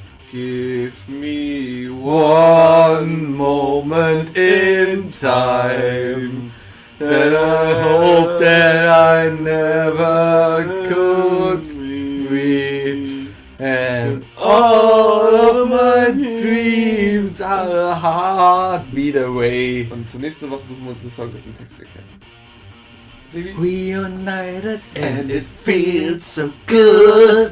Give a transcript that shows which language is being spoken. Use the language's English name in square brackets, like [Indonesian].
[English] Give me one moment in time. And I hope that I never could breathe. And all of my dreams are a heartbeat away. [German] Und zur nächsten Woche suchen wir uns einen Song, dessen Text wir kennen. [English] Reunited and it feels so good.